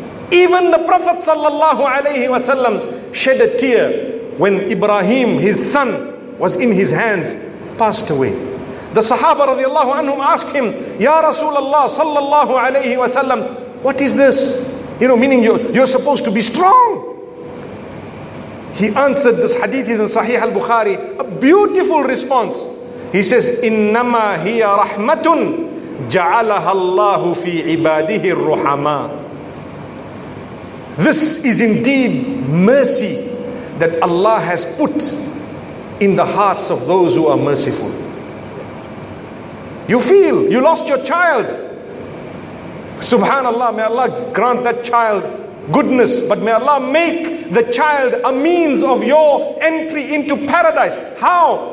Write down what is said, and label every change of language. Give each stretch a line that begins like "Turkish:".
English: Even the Prophet sallallahu alayhi wasallam shed a tear when Ibrahim, his son, was in his hands, passed away. The Sahaba radiallahu anhum asked him, Ya Rasulullah sallallahu alayhi wasallam, what is this? You know, meaning you're supposed to be strong. He answered, this hadith is in Sahih al-Bukhari, a beautiful response. He says,
Arabic: إِنَّمَا هِيَ رَحْمَةٌ جَعَلَهَا اللَّهُ فِي عِبَادِهِ الرُّحَمَى.
English: This is indeed mercy that Allah has put in the hearts of those who are merciful. You feel you lost your child. Subhanallah, may Allah grant that child goodness, but may Allah make the child a means of your entry into paradise. How?